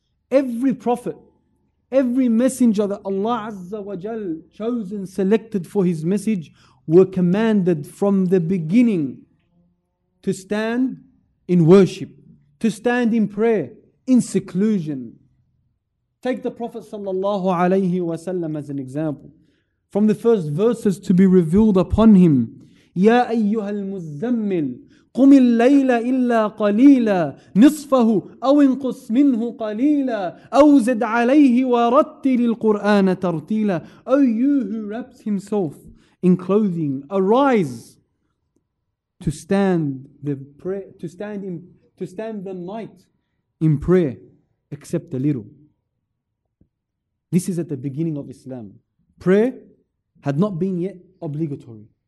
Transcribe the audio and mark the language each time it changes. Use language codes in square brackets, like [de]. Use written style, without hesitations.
[en] Every prophet, every messenger that Allah Azza wa Jal chose and selected for his message were commanded from the beginning to stand in worship, to stand in prayer, in seclusion. Take the Prophet sallallahu alayhi wa sallam as an example. From the first verses to be revealed upon him, [ar] Ya ayyuhal muzzammil, قم الليل إلا قليلا نصفه أو انقص منه قليلا أو زد عليه ورتل القرآن ترتيلا. [en] O you who wraps himself in clothing, arise to stand the prayer, to stand the night in prayer, except a little. This is at the beginning of Islam. Prayer had not been yet obligatory.